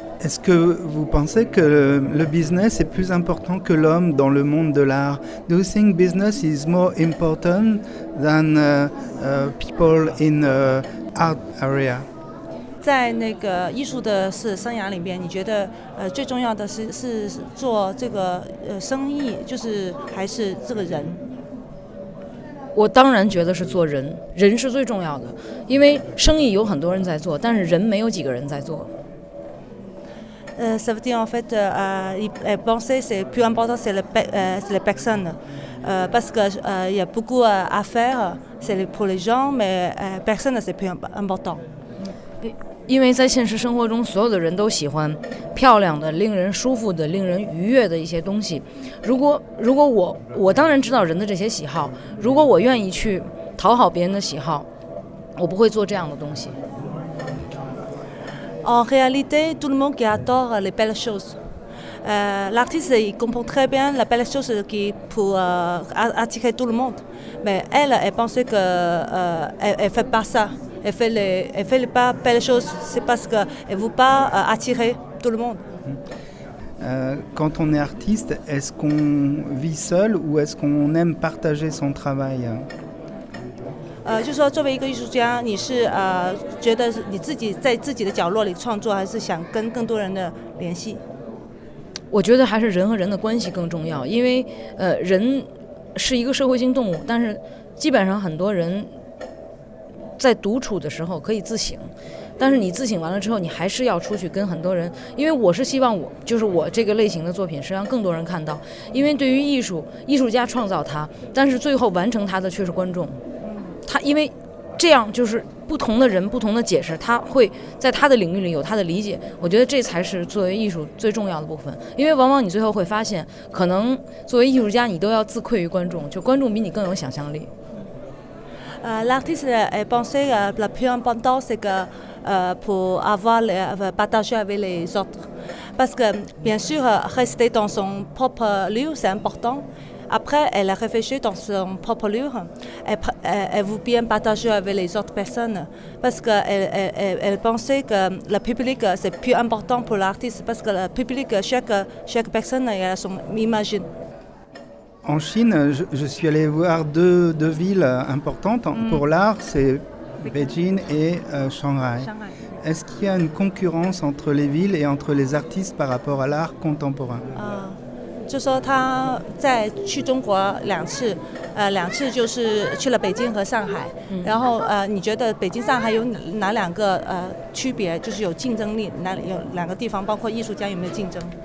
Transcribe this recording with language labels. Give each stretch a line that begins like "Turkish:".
French: Est-ce que vous pensez que le business est plus important que l'homme dans le monde de l'art?
English: Do you think business is more important than people in the art area?
Chinese: 在那个艺术的生涯里边，你觉得最重要的是做这个生意，就是还是这个人？我当然觉得是做人，人是最重要的，因为生意有很多人在做，但是人没有几个人在做。
French: Certains en fait, ils pensaient c'est plus important c'est les personnes, parce que il y a beaucoup à faire, c'est pour les gens, mais personne c'est plus important.
Chinese: 因为在现实生活中，所有的人都喜欢漂亮的、令人舒服的、令人愉悦的一些东西。如果我当然知道人的这些喜好，如果我愿意去讨好别人的喜好，我不会做这样的东西。
French: En réalité, tout le monde adore les belles choses. L'artiste comprend très bien la belle chose qui peut attirer tout le monde, mais elle pensait que elle fait pas ça. Elle fait les pas belles choses, c'est parce qu'elle ne veut pas attirer tout le monde. Quand on est artiste, est-ce qu'on vit seul ou est-ce qu'on aime partager son travail?
Chinese: 就是说作为一个艺术家，你是觉得你自己在自己的角落里创作，还是想跟更多人的联系？我觉得还是人和人的关系更重要，因为人是一个社会性动物，但是基本上很多人在独处的时候可以自省，但是你自省完了之后，你还是要出去跟很多人，因为我是希望我这个类型的作品是让更多人看到，因为对于艺术，艺术家创造它，但是最后完成它的却是观众，他因为这样就是不同的人不同的解释，他会在他的领域里有他的理解，我觉得这才是作为艺术最重要的部分，因为往往你最后会发现，可能作为艺术家你都要自愧于观众，就观众比你更有想象力。
French: L'artiste est pensé la plus importante, c'est que pour avoir partager avec les autres. Parce que, bien sûr, rester dans son propre lieu, c'est important. Après, elle réfléchit dans son propre lieu. Elle veut bien partager avec les autres personnes. Parce qu'elle pensait que le public, c'est plus important pour l'artiste. Parce que le public, chaque personne, elle a son image. En Chine, je suis allé voir deux villes importantes pour l'art, c'est Beijing et Shanghai. Est-ce qu'il y a une concurrence entre les villes et entre les artistes par rapport à l'art contemporain?
Chinese: 就说他在去中国两次就是去了北京和上海，然后你觉得北京上海有哪两个区别，就是有竞争力，哪有两个地方，包括艺术家有没有竞争？